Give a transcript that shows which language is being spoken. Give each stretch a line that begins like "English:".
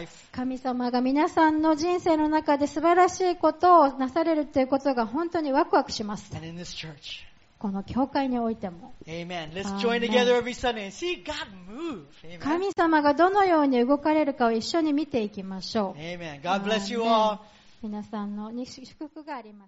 Japanese: 神様が皆さんの人生の中で素晴らしいことをなされるということが本当にワクワクします。
English: And in this church.
Japanese: この教会においても。
English: Amen. Let's join together every Sunday and see God move. Amen.
Japanese: 神様がどのように動かれるかを一緒に見ていきましょう。
English: Amen. God bless you all.
Japanese: 皆さんの祝福があります。